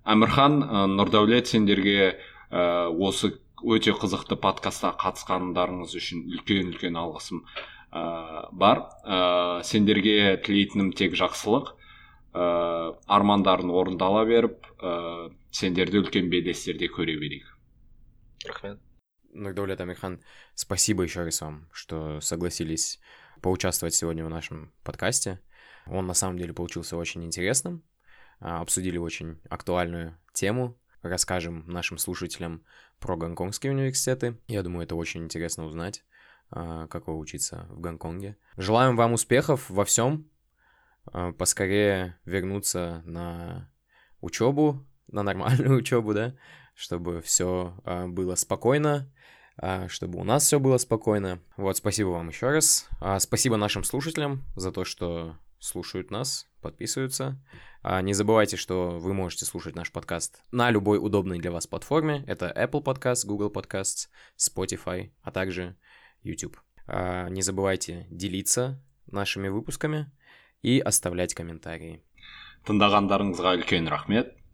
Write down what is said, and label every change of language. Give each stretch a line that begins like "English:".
Kazakh: Әмірхан, Нұрдәулет, сендерге осы өте қызықты подкастқа қатысқандарыңыз үшін үлкен-үлкен алғысым. Бар. Сендерге тілейтінім тек жақсылық. Армандарын орындала беріп, сендерді үлкен белестерде көре берейік. Рахмет.
Russian: Нұрдәулет, Әмірхан, спасибо еще раз вам, что согласились поучаствовать сегодня в нашем подкасте. Он на самом деле получился очень интересным. Обсудили очень актуальную тему. Расскажем нашим слушателям про гонконгские университеты. Я думаю, это очень интересно узнать. Какого учиться в Гонконге. Желаем вам успехов во всем, поскорее вернуться на учебу, на нормальную учебу, да, чтобы все было спокойно, чтобы у нас все было спокойно. Вот, спасибо вам еще раз. Спасибо нашим слушателям за то, что слушают нас, подписываются. Не забывайте, что вы можете слушать наш подкаст на любой удобной для вас платформе. Это Apple Podcast, Google Podcasts, Spotify, а также YouTube. Не забывайте делиться нашими выпусками и оставлять комментарии.
Kazakh: Тыңдағандарыңызға үлкен рахмет.